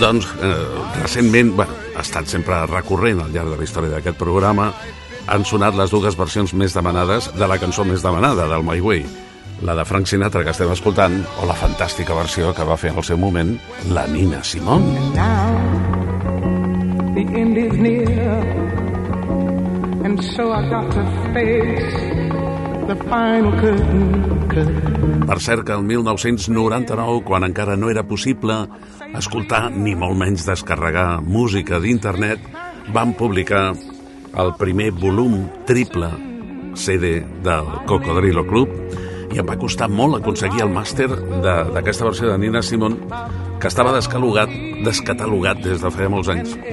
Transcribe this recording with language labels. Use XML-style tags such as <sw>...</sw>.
<ca>Doncs, recentment, bueno, ha estat sempre recurrent al llarg de la història d'aquest programa, han sonat les dues versions més demanades de la cançó més demanada del My Way, la de Frank Sinatra, que estem escoltant, o la fantàstica versió que va fer en el seu moment la Nina Simone.</ca> <en>And now, the end is near, and so I got to face the final curtain.</en> <ca>Per cert, que el 1999, quan encara no era possible escoltar ni molt menys descarregar música d'internet, van publicar el primer volum triple CD del Cocodrilo Club i em va costar molt aconseguir el màster d'aquesta versió de Nina Simone, que estava descatalogat des de feia molts anys.</ca>